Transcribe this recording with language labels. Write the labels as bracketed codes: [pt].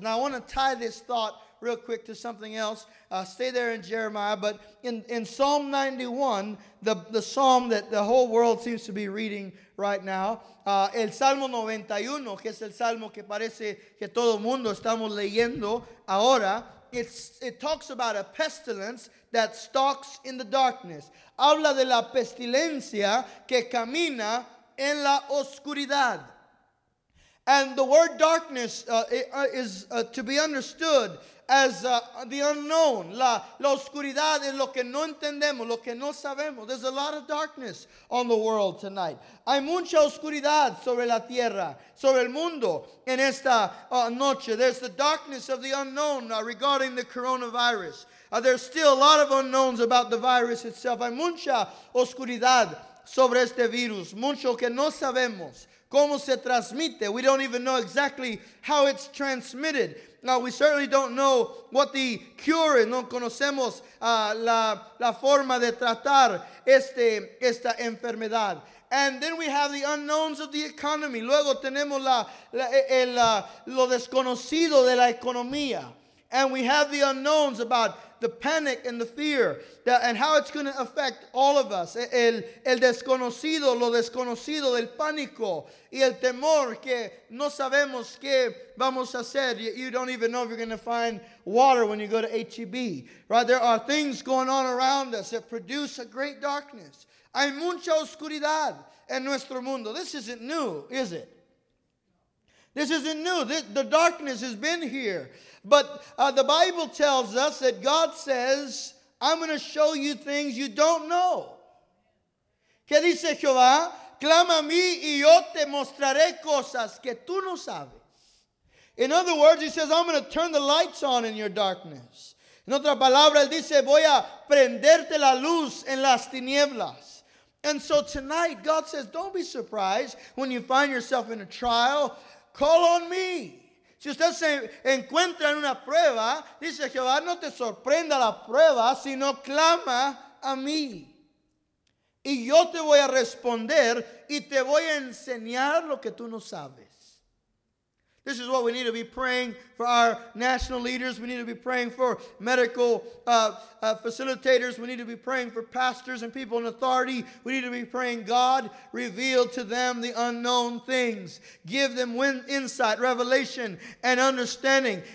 [en] Now I want to tie this thought real quick to something else. Stay there in Jeremiah, but in Psalm 91, the psalm that the whole world seems to be reading right now, [es] el Salmo 91, que es el salmo que parece que todo mundo estamos leyendo ahora, [en] it talks about a pestilence that stalks in the darkness. [es] Habla de la pestilencia que camina en la oscuridad. [en] And the word darkness is to be understood as the unknown. [es] La oscuridad es lo que no entendemos, lo que no sabemos. [en] There's a lot of darkness on the world tonight. [es] Hay mucha oscuridad sobre la tierra, sobre el mundo en esta noche. [en] There's the darkness of the unknown regarding the coronavirus. There's still a lot of unknowns about the virus itself. [es] Hay mucha oscuridad sobre este virus, mucho que no sabemos. ¿Cómo se transmite? [en] We don't even know exactly how it's transmitted. Now, we certainly don't know what the cure is. [es] No conocemos la forma de tratar esta enfermedad. [en] And then we have the unknowns of the economy. [es] Luego tenemos lo desconocido de la economía. [en] And we have the unknowns about the panic and the fear and how it's going to affect all of us. [es] El desconocido, lo desconocido, el pánico y el temor que no sabemos qué vamos a hacer. [en] You don't even know if you're going to find water when you go to H-E-B. Right? There are things going on around us that produce a great darkness. [es] Hay mucha oscuridad en nuestro mundo. [en] This isn't new, is it? This isn't new. The darkness has been here. But the Bible tells us that God says, I'm going to show you things you don't know. [es] ¿Qué dice Jehová? Clama a mí y yo te mostraré cosas que tú no sabes. [en] In other words, he says, I'm going to turn the lights on in your darkness. [es] En otra palabra, él dice, voy a prenderte la luz en las tinieblas. [en] And so tonight, God says, don't be surprised when you find yourself in a trial. Call on me. [es] Si usted se encuentra en una prueba, dice Jehová, no te sorprenda la prueba, sino clama a mí. Y yo te voy a responder y te voy a enseñar lo que tú no sabes. [en] This is what we need to be praying for our national leaders. We need to be praying for medical facilitators. We need to be praying for pastors and people in authority. We need to be praying, God, reveal to them the unknown things. Give them insight, revelation, and understanding.